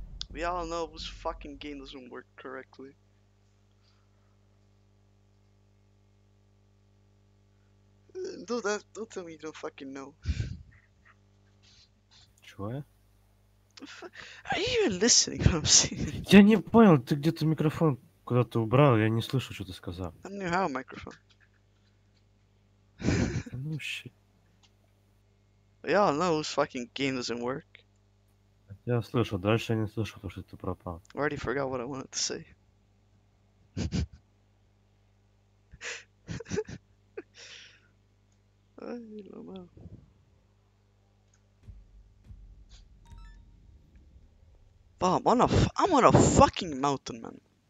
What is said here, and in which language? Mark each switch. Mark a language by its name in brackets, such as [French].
[English] We all know whose fucking game doesn't work correctly. Don't tell me you don't fucking know. [Russian] Чего? [English] Are you even listening what I'm saying? [Russian] Я не понял, ты где-то микрофон куда-то убрал, я не слышу, что ты сказал. [English] I don't know how, microphone. Ну, shit. We all know this fucking game doesn't work. [Russian] Я слышал, дальше я не слышал, потому что ты пропал. [English] I already forgot what I wanted to say. [Russian] Ай, ломал. [English] Bob, I'm on a fucking mountain, man.